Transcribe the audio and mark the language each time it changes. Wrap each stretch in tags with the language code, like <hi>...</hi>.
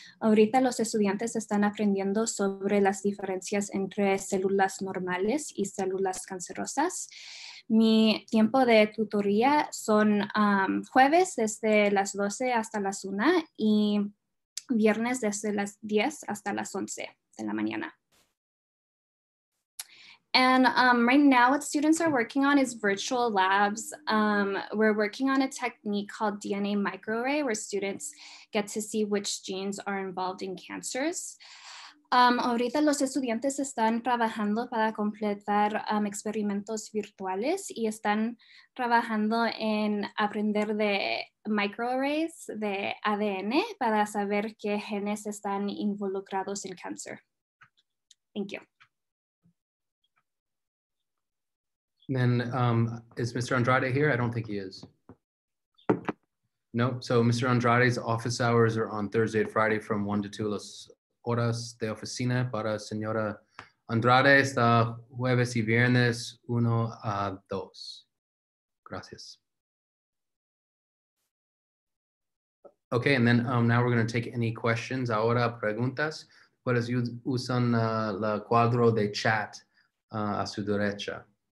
<es>Ahorita los estudiantes están aprendiendo sobre las diferencias entre células normales y células cancerosas. Mi tiempo de tutoría son jueves desde las 12 hasta las 1 y viernes desde las 10 hasta las 11 de la mañana.</es> <en>And right now what students are working on is virtual labs. We're working on a technique called DNA microarray where students get to see which genes are involved in cancers.</en> <es>Ahorita los estudiantes están trabajando para completar experimentos virtuales y están trabajando en aprender de microarrays de ADN para saber qué genes están involucrados en cancer.</es> <en>Thank you. And then is Mr. Andrade here? I don't think he is. Nope. So Mr. Andrade's office hours are on Thursday and Friday from 1 to 2</en> <es>las horas de oficina. Para señora Andrade está jueves y viernes 1 a 2. Gracias.</es> <en>Okay, and then now we're going to take any questions.</en> <es>Ahora preguntas. Puedes usar el cuadro de chat a su derecha.</es>